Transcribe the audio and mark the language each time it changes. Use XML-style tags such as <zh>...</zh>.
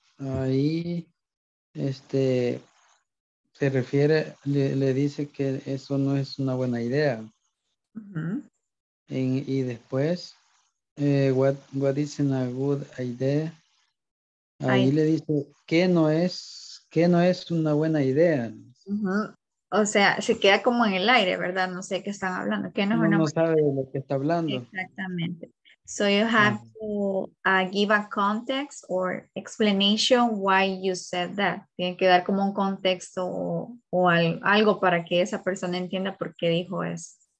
<es>Ahí, se refiere, le dice que eso no es una buena idea. Uh-huh. Y después,</es> <en>what is a good idea?</en> <es>Ahí le dice, ¿qué no es una buena idea? Uh-huh. O sea, se queda como en el aire, ¿verdad? No sé qué están hablando. ¿Qué no, no sabe de lo que está hablando. Exactamente.</es> <en>So you have to give a context or explanation why you said that.</en> <es>Tienen que dar como un contexto o algo para que esa persona entienda por qué dijo eso.</es>